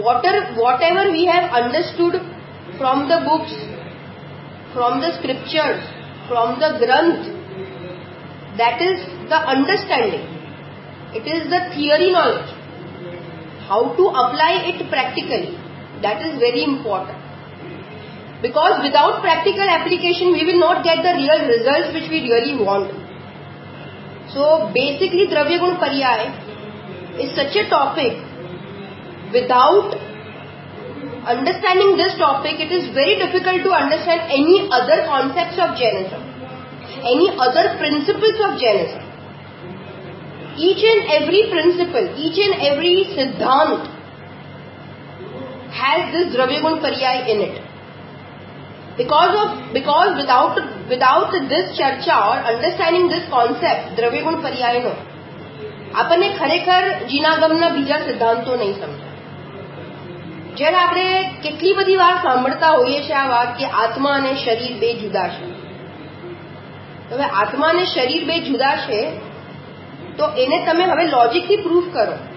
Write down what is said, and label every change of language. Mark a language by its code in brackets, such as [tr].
[en] Whatever we have understood from the books, from the scriptures, from the granth, that is the understanding. It is the theory knowledge. How to apply it practically, that is very important. Because without practical application, we will not get the real results which we really want. So basically, Dravya Guna Paryay is such a topic. Without understanding this topic, it is very difficult to understand any other concepts of Jainism, any other principles of Jainism. Each and every principle, each and every Siddhant has this Dravya Guna Paryay in it. Because without this charcha or understanding this concept, [gu] દ્રવ્ય ગુણ પર્યાયનો, આપણને ખરેખર જીનાગમના બીજા સિદ્ધાંતો નહીં સમજાય. જ્યારે આપણે કેટલી બધી વાર સાંભળતા હોઈએ છીએ આ વાત કે આત્મા અને શરીર બે જુદા છે, હવે આત્મા અને શરીર બે જુદા છે તો એને તમે હવે લોજિકથી પ્રૂફ કરો.